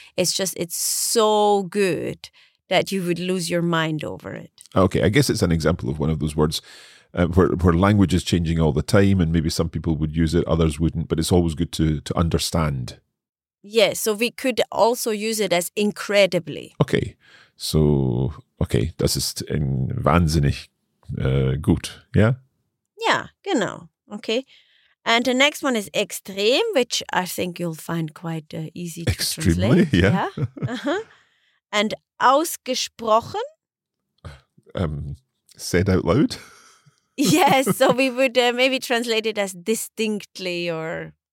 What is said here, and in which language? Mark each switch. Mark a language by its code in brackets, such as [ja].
[en] It's just, it's so good that you would lose your mind over it. Okay, I guess it's an example of one of those words where language is changing all the time, and maybe some people would use it, others wouldn't, but it's always good to understand. Yes, yeah, so we could also use it as incredibly. Okay, so, okay, [de] das ist wahnsinnig gut, [en] yeah? Yeah, genau, okay. And the next one is extrem, which I think you'll find quite easy to Extremely, translate. Yeah. Uh-huh. And ausgesprochen. Said out loud. Yes, so we would maybe translate it as distinctly or...